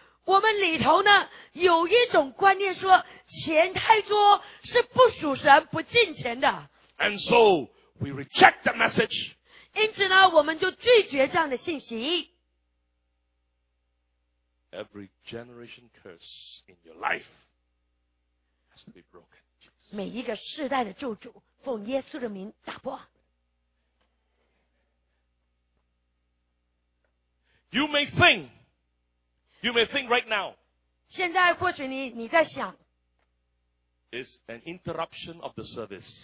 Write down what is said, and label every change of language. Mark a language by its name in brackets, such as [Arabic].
[Chinese] 我们里头呢有一种观念说钱太多是不属神不敬虔的。 [English] And so we reject the message. [Chinese] 因此呢我们就拒绝这样的信息。 [English] Every generation curse in your life has to be broken. [Chinese] 每一个世代的咒诅奉耶稣的名打破。 [English] You may think right now. [Chinese] 现在或许你在想。 [English] It's an interruption of the service.